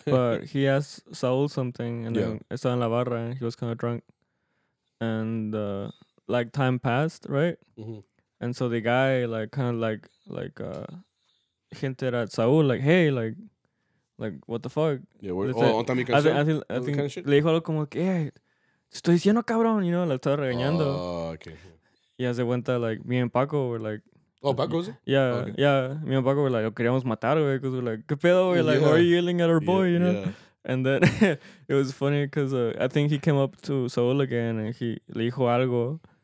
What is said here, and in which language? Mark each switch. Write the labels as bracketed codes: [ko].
[en] But he asked Saul something, and then [es] estaba en la barra, [en] and he was kind of drunk, and like time passed, right? Mm-hmm. And so the guy kind of hinted at Saul, like, hey, like, what the fuck? Yeah, where's the kind of shit? [es] Le dijo algo como que, hey, te estoy diciendo cabrón, [en] you know, [es] la estaba regañando. [en] Oh, okay. [es] Y hace cuenta, [en] like, me and Paco were like, oh, Paco, sí? Yeah, okay. Yeah, me and Paco were like, [es] lo queríamos matar, güey, [en] because we're like, [es] qué pedo, güey, [en] like, why are you yelling at our boy, you know? Yeah. And then it was funny because I think he came up to Saul again and he [es] le dijo algo